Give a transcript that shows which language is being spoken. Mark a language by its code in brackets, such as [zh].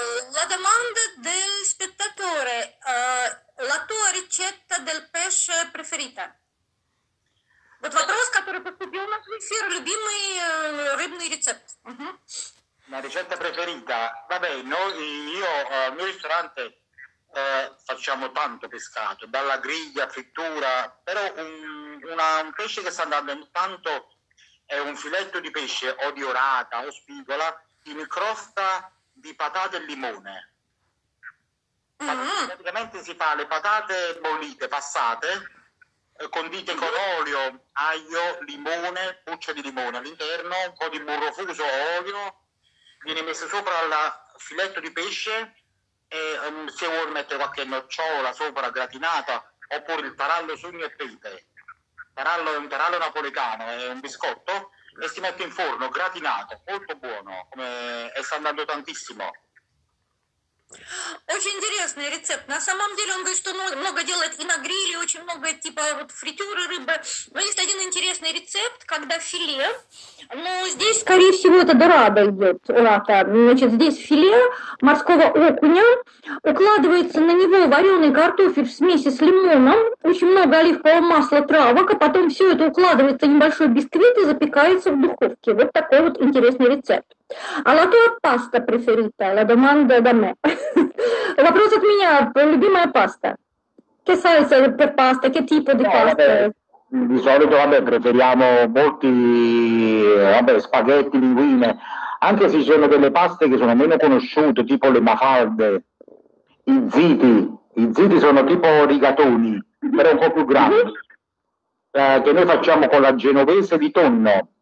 [it] La domanda del spettatore, la tua ricetta del pesce preferita? [ru] Вот вопрос, который поступил на эфир, любимый рыбный рецепт. [it] La ricetta preferita? Vabbè, noi, io, nel ristorante facciamo tanto pescato, dalla griglia, frittura, però un pesce che sta andando tanto è un filetto di pesce o di orata o spigola in crosta di patate e limone. Praticamente si fa le patate bollite, passate, condite con olio, aglio, limone, buccia di limone all'interno, un po' di burro fuso, olio, viene messo sopra il filetto di pesce e se vuoi mettere qualche nocciola sopra gratinata oppure il tarallo sugno e pepe. Tarallo è un tarallo napoletano, è un biscotto e si mette in forno gratinato, molto buono, e sta andando tantissimo. [ru] Очень интересный рецепт. На самом деле он говорит, что много делает и на гриле, очень много типа вот фритюры рыбы. Но есть один интересный рецепт, когда филе, но здесь, скорее всего, это дорада идет. Урата. Значит, здесь филе морского окуня, укладывается на него вареный картофель в смеси с лимоном, очень много оливкового масла, травок, а потом все это укладывается в небольшой бисквит и запекается в духовке. Вот такой вот интересный рецепт. А [it] la tua pasta preferita, la domanda da me. [ru] Вопрос от меня, любимая паста. [it] Che salsa per pasta, che tipo di pasta? Vabbè, di solito vabbè, preferiamo molti vabbè, spaghetti, linguine, anche se ci sono delle paste che sono meno conosciute, tipo le mafalde, i ziti. I ziti sono tipo rigatoni, però un po' più grandi, che noi facciamo con la genovese di tonno.